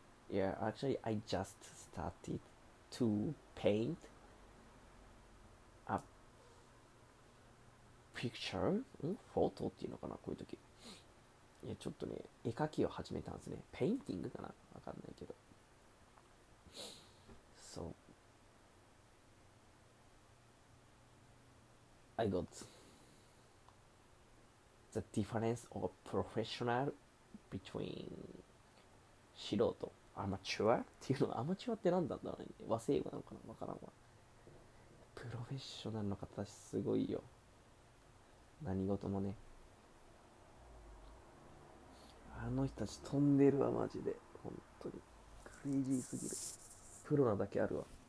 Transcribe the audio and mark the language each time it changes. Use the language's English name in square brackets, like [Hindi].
[English] Yeah, actually, I just started to paint a picture. [Japanese] Photo っていうのかな、こういう時。いや、ちょっとね、絵描きを始めたんですね。ペインティングかな、わかんないけど。 [English] So, I got the difference of professional between 素人。 [Japanese] アマチュアっていうのは、アマチュアって何なんだろうね。和製語なのかな、わからんわ。プロフェッショナルの方たちすごいよ。何事もね。あの人たち飛んでるわ、マジで。本当に。クレイジーすぎる。プロなだけあるわ。